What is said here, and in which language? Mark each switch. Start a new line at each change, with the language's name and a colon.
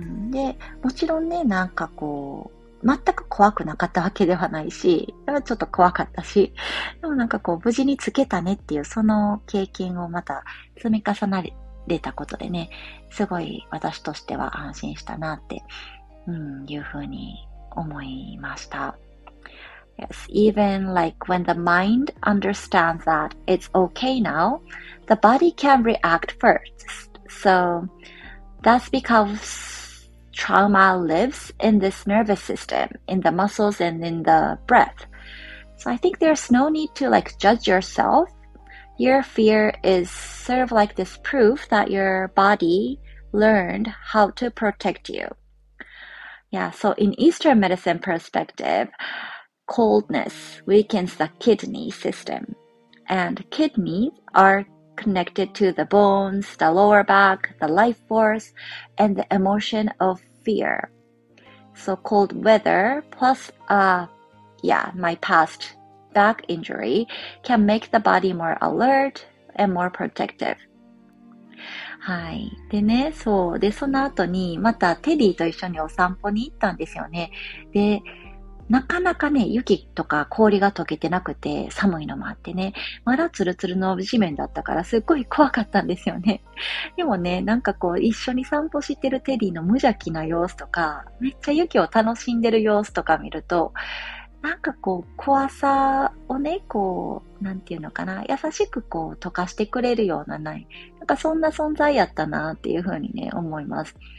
Japanese: で、もちろんね、なんかこう、全く怖くなかったわけではないし、ちょっと怖かったし、でもなんかこう、無事につけたねっていう、その経験をまた積み重なれたことでね、すごい私としては安心したなって、いう風に思いました。
English: Yes, even like when the mind understands that it's okay now, the body can react first. So that's because trauma lives in this nervous system, in the muscles and in the breath. So I think there's no need to like judge yourself. Your fear is sort of like this proof that your body learned how to protect you. Yeah, so in Eastern medicine perspective,Coldness weakens the kidney system, and kidneys are connected to the bones, the lower back, the life force, and the emotion of fear. So cold weather plus, my past back injury can make the body more alert and more protective.
Japanese: はい。でね、そう。で、その後に、またテディと一緒にお散歩に行ったんですよね。で、なかなかね、雪とか氷が溶けてなくて、寒いのもあってね、まだツルツルの地面だったから、すっごい怖かったんですよね。でもね、なんかこう、一緒に散歩してるテディの無邪気な様子とか、めっちゃ雪を楽しんでる様子とか見ると、なんかこう、怖さをね、こう、なんていうのかな、優しくこう、溶かしてくれるようなない、なんかそんな存在やったなっていうふうにね、思います。